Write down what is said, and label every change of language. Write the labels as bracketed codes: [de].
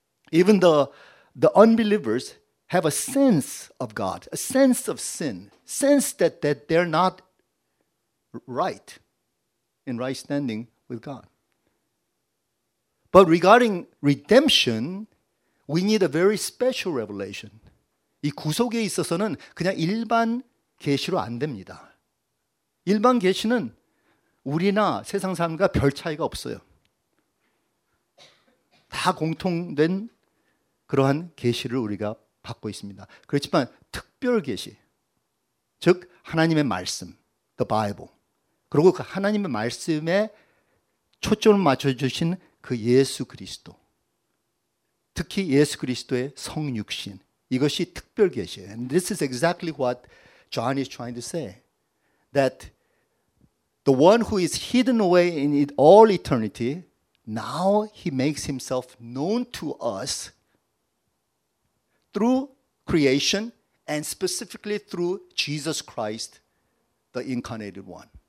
[en] Even the unbelievers have a sense of God, a sense of sin, sense that they're not right, in right standing with God. But regarding redemption, we need a very special revelation. [ko] 이 구속에 있어서는 그냥 일반 계시로 안 됩니다. 일반 계시는 우리나 세상 사람과 별 차이가 없어요. 다 공통된 그러한 계시를 우리가 받고 있습니다. 그렇지만 특별 계시, 즉 하나님의 말씀, the Bible, 그리고 그 하나님의 말씀에 초점을 맞춰주신 그 예수 그리스도, 특히 예수 그리스도의 성육신, 이것이 특별 계시예요. [en] And this is exactly what John is trying to say, that the one who is hidden away in all eternity, now he makes himself known to us through creation and specifically through Jesus Christ, the incarnated one.